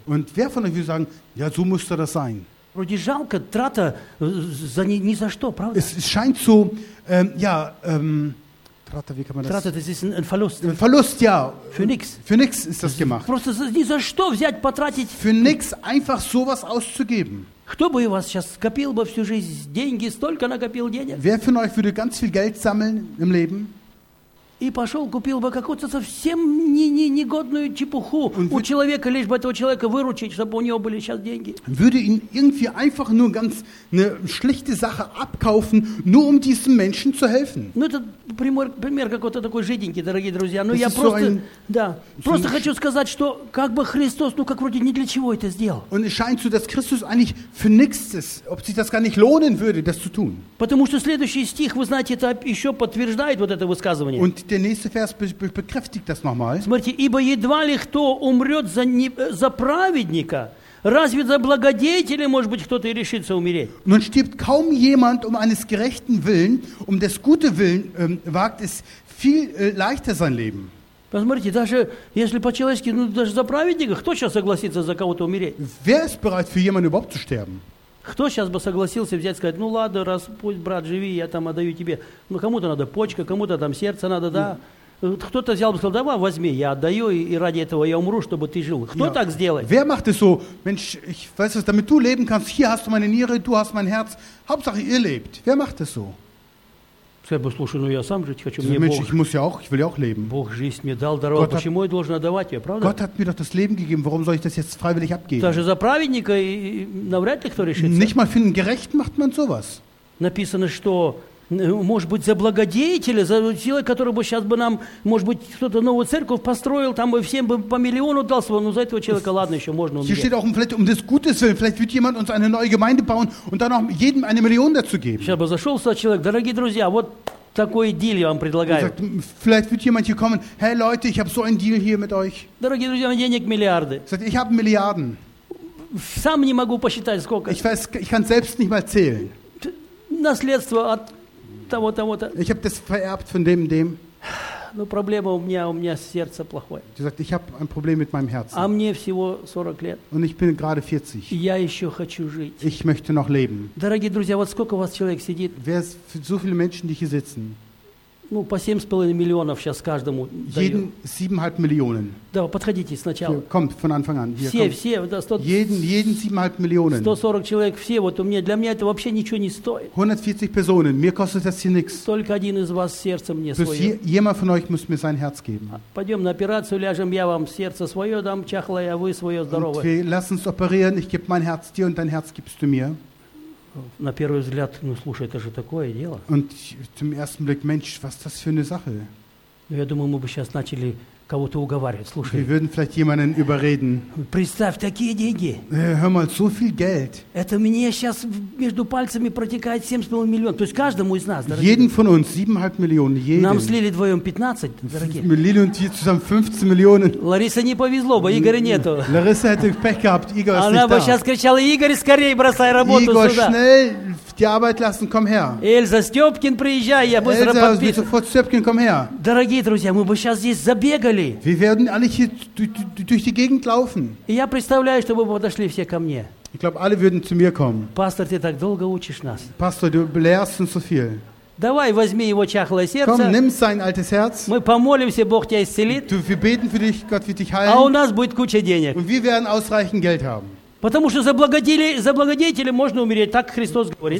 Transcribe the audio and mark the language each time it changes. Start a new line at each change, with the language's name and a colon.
German: Und wer von euch würde sagen, ja, so müsste das sein?
Russian: Вроде жалко, трата за ни за что, правда?
German: Es scheint so, трата, wie kann man das? Трата, das ist ein Verlust. Ein Verlust, ja. Für nichts. Für nichts ist das gemacht.
Russian: Просто ни за что взять, потратить.
German: Für nichts einfach sowas auszugeben.
Russian: Кто бы у вас сейчас скопил бы всю жизнь деньги, столько накопил денег?
German: Wer von euch würde ganz viel Geld sammeln im Leben?
Russian: И пошел, купил бы какую-то совсем негодную чепуху у человека, лишь бы этого человека выручить, чтобы у него были сейчас деньги.
German: Würde ihn irgendwie einfach nur ganz eine schlechte Sache abkaufen, nur um diesem Menschen zu helfen.
Russian: Ну, это пример какой-то такой жиденький, дорогие друзья. Ну, я просто хочу сказать, что как бы Христос, ну, как вроде ни для чего это сделал.
German: Und es scheint so, dass Christus eigentlich für nichts, ob sich das gar nicht lohnen würde, das zu tun.
Russian: Потому что следующий стих, вы знаете, это еще подтверждает вот это высказывание.
German: Und der nächste Vers bekräftigt das nochmal.
Russian: Смотрите, ибо едва ли кто умрет за праведника, разве за благодетеля может быть кто-то и решится умереть?
German: Nun stirbt kaum jemand um eines gerechten Willen, um des Guten Willen wagt es viel leichter sein Leben.
Russian: Посмотрите, даже если по-человечески, ну даже за праведника, кто сейчас согласится за кого-то умереть?
German: Wer ist bereit für jemanden überhaupt zu sterben?
Russian: Кто сейчас бы согласился взять и сказать, ну ладно, раз пусть брат живи, я там отдаю тебе. Ну кому-то надо почка, кому-то там сердце надо, да.
English: Yeah.
Russian: Кто-то взял бы и сказал, давай возьми, я отдаю, и ради этого я умру, чтобы ты жил. Кто yeah. так сделает?
German: Wer macht es so? Mensch, ich weiß es, damit du leben kannst, hier hast du meine Niere, du hast mein Herz. Hauptsache ihr lebt. Wer macht es so?
Russian: Сказать бы, слушай, ну я сам жить хочу.
German: Мне Mensch, Бог, ich muss ja auch, ich will ja auch leben.
Russian: Бог жизнь мне дал, дорогу, почему я должен отдавать ее, правда?
German: Gott hat mir doch das Leben gegeben, warum soll ich das jetzt freiwillig abgeben?
Russian: Даже за праведника и навряд ли кто решится.
German: Nicht mal für einen Gerechten macht man sowas.
Russian: Написано, что, может быть, за благодетеля, за человека, который бы сейчас бы нам, может быть, кто-то новую церковь построил, там бы всем бы по миллиону дал своего, но за этого человека, ладно, еще можно умереть.
German: Hier steht auch, vielleicht um des Gutes willen, vielleicht wird jemand uns eine neue Gemeinde bauen und dann auch jedem eine Million dazu geben.
Russian: Сейчас бы зашел сюда человек, дорогие друзья, вот такой дил я вам предлагаю.
German: Sagt, vielleicht wird jemand hier kommen, hey Leute, ich habe so einen Deal hier mit euch.
Russian: Дорогие друзья, у меня денег миллиарды.
German: Sagt, ich habe Milliarden.
Russian: Сам не могу посчитать, сколько.
German: Ich weiß, ich kann selbst nicht mal zählen.
Russian: Наследство от
German: Ich habe das vererbt von dem und dem.
Russian: Ну проблема у меня сердце плохое.
German: Ты sagt, ich habe ein Problem mit meinem Herzen.
Russian: А мне всего 40 лет.
German: Und ich bin gerade 40.
Russian: Я еще хочу жить.
German: Ich möchte noch leben.
Russian: Дорогие друзья, вот сколько у вас человек сидит?
German: Wer ist so viele Menschen, die hier sitzen?
Russian: Ну по 7,5 миллионов сейчас каждому.
German: Jeden 7,5 Millionen.
Russian: Да, подходите сначала.
German: Kommt von Anfang an.
Russian: Все, все, да, 100.
German: Jeden 7,5 Millionen.
Russian: 140 человек, все, вот у меня, для меня это вообще ничего не стоит.
German: 140 Personen, mir kostet das hier nichts.
Russian: Только один из вас сердце мне свое.
German: Jemand von euch muss mir sein Herz geben.
Russian: Пойдем на операцию, ляжем, я вам сердце свое дам, чахлое, а вы свое здоровое.
German: Und wir lassen uns operieren, ich gebe mein Herz dir und dein Herz gibst du mir.
Russian: На первый взгляд, ну слушай, это же такое дело.
German: Und zum ersten Blick, Mensch, was das für eine Sache?
Russian: Ну, я думаю, мы бы сейчас начали кого-то уговаривать. Слушай.
German: Wir würden vielleicht jemanden überreden.
Russian: Представь, такие деньги.
German: Hör mal, so viel Geld.
Russian: Это мне сейчас между пальцами протекает 7,5 миллионов. То есть каждому из нас, дорогие.
German: Jeden von uns, 7,5 Millionen, jeden.
Russian: Нам слили вдвоем 15, дорогие. Мы лили
German: und wir zusammen 15 Millionen.
Russian: Ларисе не повезло, бы Игоря нету.
German: Лариса hätte Pech gehabt, Igor ist nicht da.
Russian: Она бы сейчас кричала, Игорь, скорее бросай работу сюда.
German: Igor, schnell die Arbeit lassen, komm her.
Russian: Эльза, Степкин, приезжай, я быстро подпишу.
German: Эльза, bitte sofort, Степкин, komm her.
Russian: Дорогие друзья, мы бы сейчас здесь забегали.
German: Wir werden alle hier durch die Gegend laufen.
Russian: Я представляю, что вы подошли все ко мне.
German: Ich glaube, alle würden zu mir kommen.
Russian: Пастор, ты так долго учишь нас.
German: Pastor, du lehrst uns so viel.
Russian: Давай возьми его чахлое сердце.
German: Komm, nimm sein altes Herz.
Russian: Мы помолимся, Бог тебя исцелит.
German: Wir beten für dich, Gott wird dich heilen.
Russian: А у нас будет куча денег.
German: Und wir werden ausreichend Geld haben.
Russian: Потому что за благодетеля можно умереть, так Христос говорит.